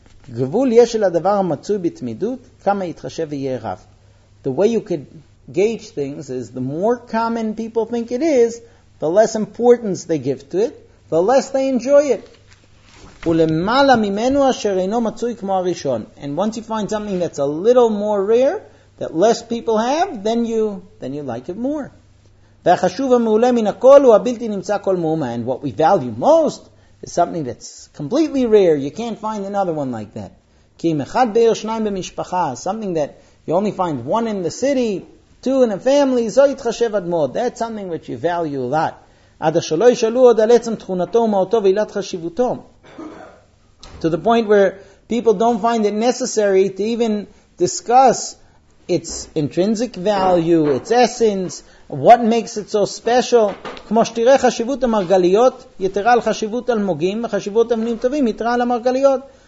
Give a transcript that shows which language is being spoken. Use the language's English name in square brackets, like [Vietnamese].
[Hebrew] גבול יש לדבר המצוי בתמידות, כמה יתחשב ויהיה רב. [English] The way you could gauge things is the more common people think it is, the less importance they give to it, the less they enjoy it. [Hebrew] ולמעלה ממנו אשר אינו מצוי כמו הראשון. [English] And once you find something that's a little more rare, that less people have, then you like it more. [Hebrew] והחשוב המעולה מן הכל הוא הבלתי נמצא כל מאומה. [English] And what we value most is something that's completely rare. You can't find another one like that. [Hebrew] כי אם אחד בעיר שניים במשפחה, [English] something that you only find one in the city, two in a family, [Hebrew] זו יתחשב עד מאוד. [English] That's something which you value a lot. [Hebrew] עד אשר לא ישאלו עוד על עצם תכונתו ומהותו ועילת חשיבותו. [English] To the point where people don't find it necessary to even discuss its intrinsic value, its essence, what makes it so special. [Hebrew] כמו שתראה חשיבות המרגליות, יתרה על חשיבות אלמוגים, וחשיבות אבנים טובים, יתרה על המרגליות.